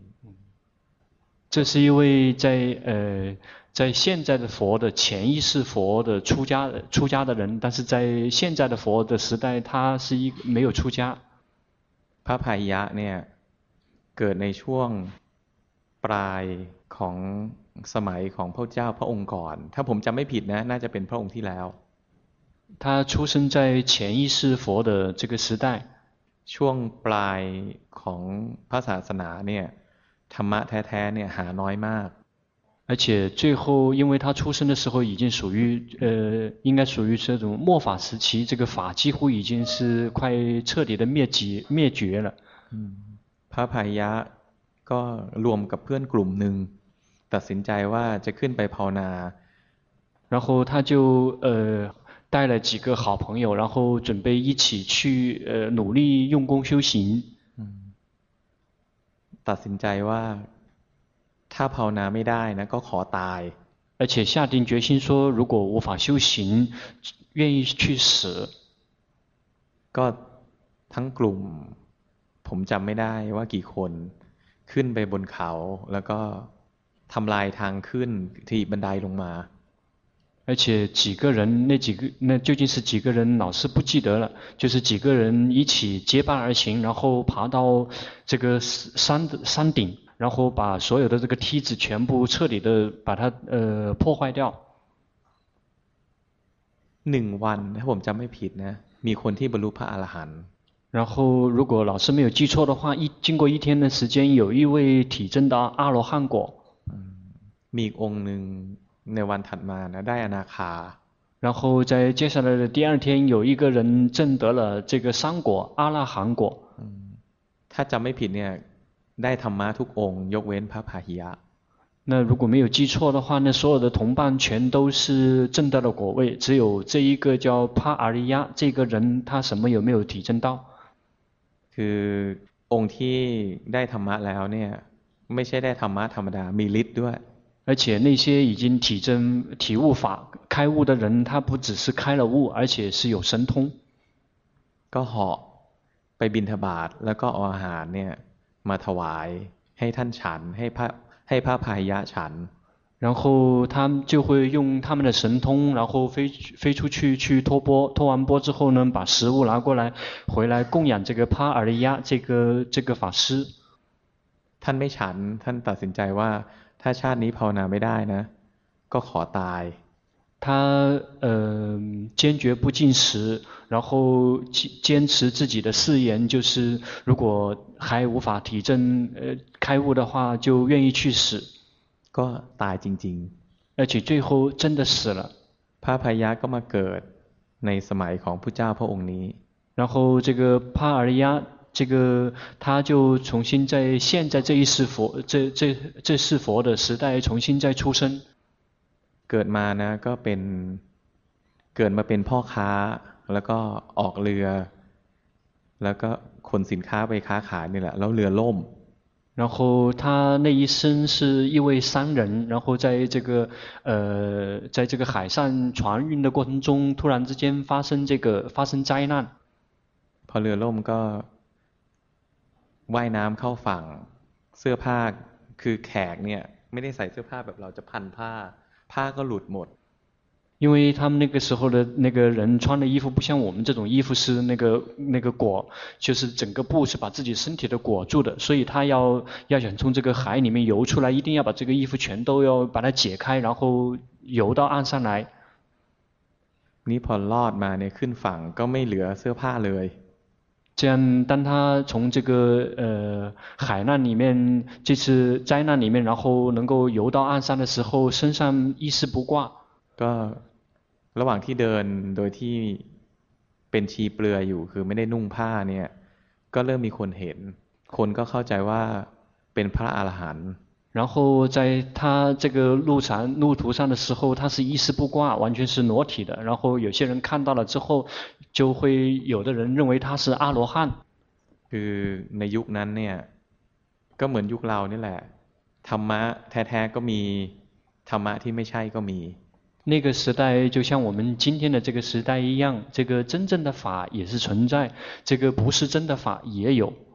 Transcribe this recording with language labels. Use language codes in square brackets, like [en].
[zh] 这是一位在现在的佛的前一世佛的出家的人但是在现在的佛的时代他是一个没有出家 [th] พระพาหิยะเนี่ยเกิดในช่วงปลายของสมัยของพระเจ้าพระองค์ก่อนถ้าผมจำไม่ผิดนะน่าจะเป็นพระองค์ที่แล้ว [zh] 他出生在前一世佛的这个时代 [th] ช่วงปลายของพระศาสนาเนี่ยธรรมะแท้ๆเนี่ยหาน้อยมาก [zh] 而且最后因为他出生的时候已经属于应该属于这种末法时期这个法几乎已经是快彻底的灭绝了 [th] พระพาหิยะก็รวมกับเพื่อนกลุ่มหนึ่งตัดสินใจว่าจะขึ้นไปภาวนา [zh] 然后他就带了几个好朋友然后准备一起去努力用功修行 [th] ตัดสินใจว่าถ้าภาวนาไม่ได้นะก็ขอตาย [zh] 而且下定决心说如果无法修行愿意去死 [th] ก็ทั้งกลุ่มผมจำไม่ได้ว่ากี่คนขึ้นไปบนเขาแล้วก็ทำลายทางขึ้นที่บันไดลงมา [zh] 而且几个人那究竟是几个人老是不记得了就是几个人一起结伴而行然后爬到这个山顶然后把所有的这个梯子全部彻底的把它破坏掉 [th] 1วันถ้าผมจำไม่ผิดนะมีคนที่บรรลุพระอรหันต์ [zh] 然后如果老师没有记错的话经过一天的时间有一位体证的阿罗汉果 [th] มีองค์หนึ่งในวันถัดมานะได้อนาคา [zh] 然后在接下来的第二天有一个人证得了这个三果阿罗汉果 [th] ถ้าจำไม่ผิดเนี่ยได้ธรรมะทุกองค์ยกเว้นพระพาหิยะ [zh] 那如果没有记错的话，那所有的同伴全都是证到了果位，只有这一个叫帕阿利亚这个人，他什么有没有体证到？ [th] คือองค์ที่ได้ธรรมะแล้วเนี่ยไม่ใช่ได้ธรรมะธรรมดามีฤทธิ์ด้วย [zh] 而且那些已经体证体悟法开悟的人，他不只是开了悟，而且是有神通。 [th] ก็หอกไปบิณฑบาตแล้วก็เอาอาหารเนี่ยมาถวายให้ท่านฉันให้พระให้พระพายะฉัน [zh] 然后他们就会用他们的神通，然后飞出去去托钵，托完钵之后呢，把食物拿过来，回来供养这个帕阿利亚这个法师。 [th] ท่านไม่ฉันท่านตัดสินใจว่าถ้าชาตินี้ภาวนาไม่ได้นะก็ขอตาย [zh] 他坚决不进食，然后坚持自己的誓言，就是如果还无法体证开悟的话，就愿意去死。 [th] ก็ตายจริง [zh] ๆ而且最后真的死了。 [th] พระพายะก็มาเกิดในสมัยของพุทธเจ้าพระองค์นี้。 [zh] 然后这个帕阿利亚，这个他就重新在现在这一世佛这世佛的时代重新再出生。 [th] เกิดมานะก็เป็นเกิดมาเป็นพ่อค้าแล้วก็ออกเรือแล้วก็ขนสินค้าไปค้าขายนี่แหละแล้วเรือล่ม [zh] 然后他那一生是一位商人然后在这个在这个海上船运的过程中突然之间发生这个发生灾难 [th] พอเรือล่มก็ว่ายน้ำเข้าฝั่งเสื้อผ้าคือแขกเนี่ยไม่ได้ใส่เสื้อผ้าแบบเราจะพันผ้าผ้าก็หลุดหมด [zh] 因为他们那个时候的那个人穿的衣服不像我们这种衣服是那个裹就是整个布是把自己身体的裹住的所以他要想从这个海里面游出来一定要把这个衣服全都要把它解开然后游到岸上来 [th] นี่พอรอดมาเนี่ยขึ้นฝั่งก็ไม่เหลือเสื้อผ้าเลย [zh] 这样当他从这个海难里面这次灾难里面然后能够游到岸上的时候身上衣饰不挂 [th] ก็ระหว่างที่เดินโดยที่เป็นชีเปลือยอยู่คือไม่ได้นุ่งผ้าเนี่ยก็เริ่มมีคนเห็นคนก็เข้าใจว่าเป็นพระอรหันต์ [zh] 然后在他这个路途上的时候他是衣饰不挂完全是裸体的然后有些人看到了之后就会有的人认为他是阿罗汉 [th] คือในยุคนั้นเนี่ยก็เหมือนยุคเรานี่แหละธรรมะแท้ๆก็มีธรรมะที่ไม่ใช่ก็มี [zh] 那个时代就像我们今天的这个时代一样这个真正的法也是存在这个不是真的法也有